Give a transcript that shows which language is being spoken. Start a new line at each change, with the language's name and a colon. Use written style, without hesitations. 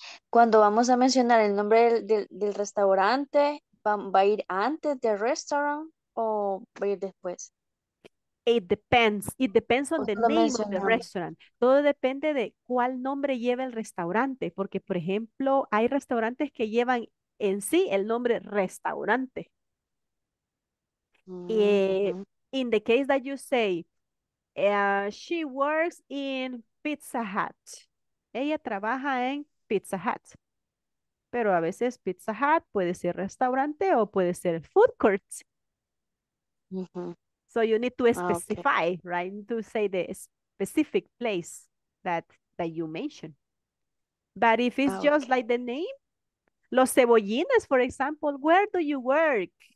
Spanish: Cuando vamos a mencionar el nombre del restaurante, ¿va a ir antes del restaurant o va a ir después?
English: It depends on the name of the restaurant.
Spanish: Todo depende de cuál nombre lleva el restaurante, porque por ejemplo, hay restaurantes que llevan en sí el nombre restaurante. Mm-hmm.
English: In the case that you say, she works in Pizza Hut.
Spanish: Ella trabaja en Pizza Hut. Pero a veces Pizza Hut puede ser restaurante o puede ser food court. Mm-hmm.
English: So you need to specify, okay. Right? To say the specific place that you mention. But if it's just like the name, Los Cebollines, for example, where do you work?